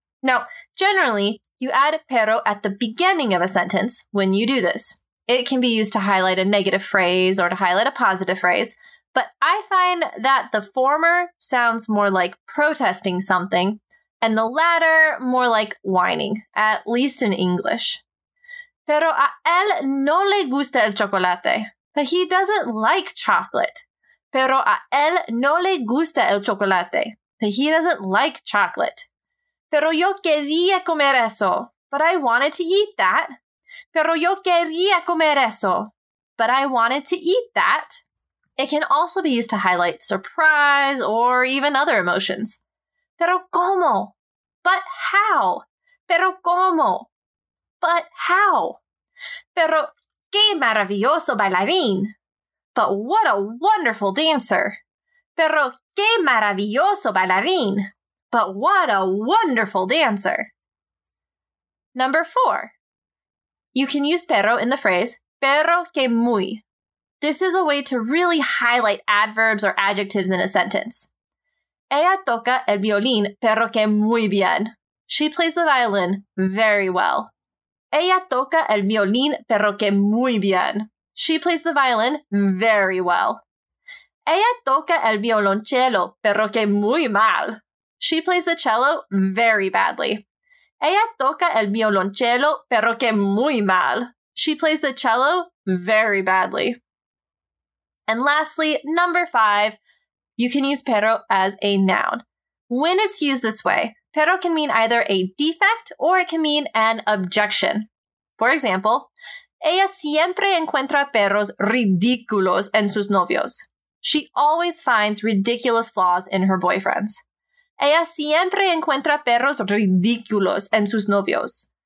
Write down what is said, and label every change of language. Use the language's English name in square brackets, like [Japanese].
[English] Now, generally, you add pero at the beginning of a sentence when you do this. It can be used to highlight a negative phrase or to highlight a positive phrase, but I find that the former sounds more like protesting something, and the latter more like whining, at least in English. [Spanish] Pero a él no le gusta el chocolate. [English] But he doesn't like chocolate. [Spanish] Pero a él no le gusta el chocolate. [English] But he doesn't like chocolate. [Spanish] Pero yo quería comer eso. [English] But I wanted to eat that. [Spanish] Pero yo quería comer eso. [English] But I wanted to eat that. It can also be used to highlight surprise or even other emotions. [Spanish] Pero cómo? [English] But how? [Spanish] Pero cómo? But how? Pero qué maravilloso bailarín. [English] But what a wonderful dancer. [Spanish] Pero qué maravilloso bailarín. [English] But what a wonderful dancer. Number four. You can use pero in the phrase pero que muy. This is a way to really highlight adverbs or adjectives in a sentence. [Spanish] Ella toca el violín pero que muy bien. [English] She plays the violin very well. [Spanish] Ella toca el violín pero que muy bien. [English] She plays the violin very well. [Spanish] Ella toca el violonchelo pero que muy mal. [English] She plays the cello very badly. [Spanish] Ella toca el violonchelo pero que muy mal. [English] She plays the cello very badly. And lastly, number five, you can use pero as a noun. When it's used this way, pero can mean either a defect or it can mean an objection. For example, [Spanish] ella siempre encuentra perros ridículos en sus novios. [English] She always finds ridiculous flaws in her boyfriends. [Spanish] Ella siempre encuentra perros ridículos en sus novios.